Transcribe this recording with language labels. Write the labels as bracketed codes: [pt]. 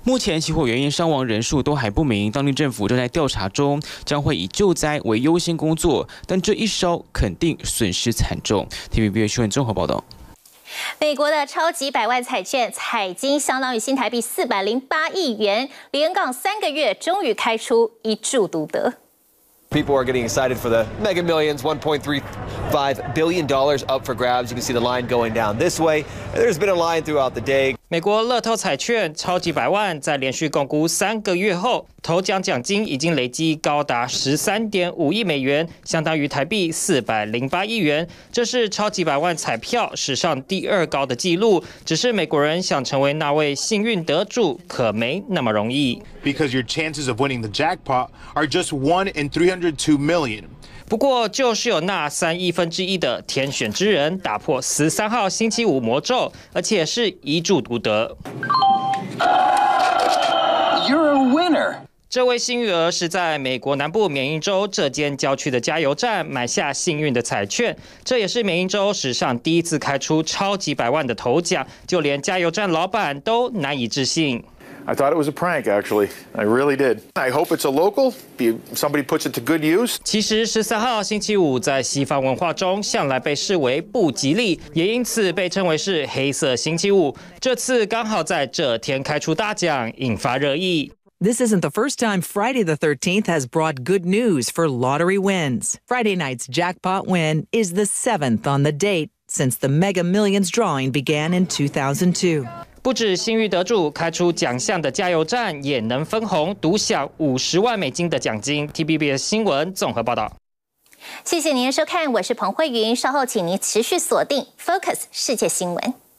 [zh] 目前起火原因、伤亡人数都还不明，当地政府正在调查中，将会以救灾为优先工作，但这一烧肯定损失惨重。 TVBS 新闻综合报道。美国的超级百万彩券彩金相当于新台币408亿元，连港3个月终于开出一注独得。 [en] People are getting excited for the Mega Millions, $1.35 billion up for grabs. You can see the line going down this way. There's been a line throughout the day. [zh] 美国乐透彩券超级百万在连续共估3个月后，头奖奖金已经累积高达13.5亿美元，相当于台币408亿元。这是超级百万彩票史上第二高的记录。只是美国人想成为那位幸运得主，可没那么容易。 [en] Because your chances of winning the jackpot are just 1 in 302 million. [zh] 不过就是有那1/3的天选之人打破13号星期五魔咒，而且是一注独得。 [en] You're a winner. [zh] 这位幸运儿是在美国南部缅因州这间郊区的加油站买下幸运的彩券，这也是缅因州史上第一次开出超级百万的头奖，就连加油站老板都难以置信。 [en] I thought it was a prank, actually. I really did. I hope it's a local. Somebody puts it to good use. [zh] 其实13号星期五在西方文化中向来被视为不吉利，也因此被称为是黑色星期五。这次刚好在这天开出大奖，引发热议。 [en] This isn't the first time Friday the 13th has brought good news for lottery wins. Friday night's jackpot win is the 7th on the date since the Mega Millions drawing began in 2002. [zh] 不止幸运得主，开出奖项的加油站也能分红，独享$500,000的奖金。 TBS 新闻综合报道。谢谢您的收看，我是彭慧云，稍后请您持续锁定 Focus 世界新闻。